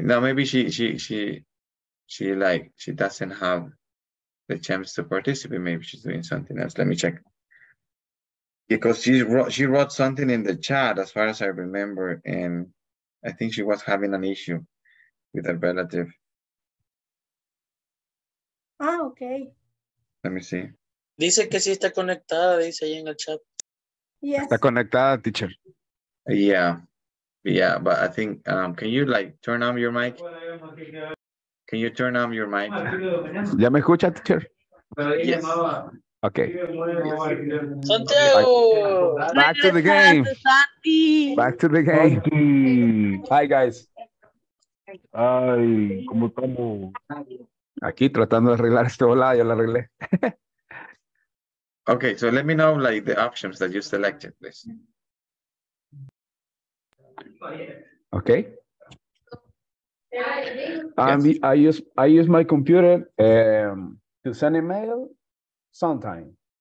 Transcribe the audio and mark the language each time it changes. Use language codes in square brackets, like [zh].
[en] Now maybe she doesn't have the chance to participate. Maybe she's doing something else. Let me check. Because she wrote something in the chat, as far as I remember, and I think she was having an issue with a relative. Ah, okay. Let me see. [es] Dice que sí está conectada, dice ahí en el chat. [en] Yes. [es] Está conectada, teacher. [en] Yeah, but I think, can you like turn on your mic? Can you turn on your mic? [es] ¿Ya me escucha, teacher? [en] Yes. Okay. Santiago. Back to the game. Back to the game. Hi, guys. [es] Ay, ¿cómo estamos? Aquí tratando de arreglar este volado, ya lo arreglé. [en] Okay, so let me know like the options that you selected, please. Okay. I use my computer to send email sometime.